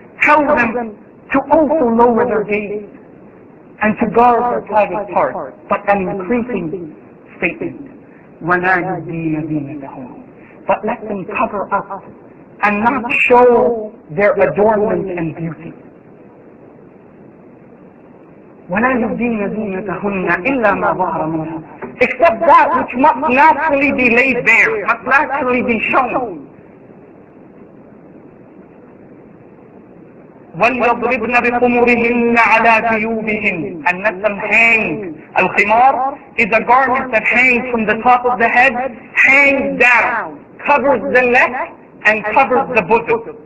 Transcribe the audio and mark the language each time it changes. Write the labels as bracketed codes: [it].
[en] Tell them to also lower their gaze and to guard their private parts. But an increasing statement. [ar] ولا يبدين زينتهن. [en] But let them cover up and not show their adornment and beauty. [ar] ولا يبدين زينتهن إلا ما ظهر منها. [en] Except that which must naturally be laid bare, must naturally be shown. [ar] وليضربن بخمرهن على جيوبهن. [en] And let them hang. Al-khimar is a garment that hangs from the top of the head, hangs down, covers the neck, and covers the bosom.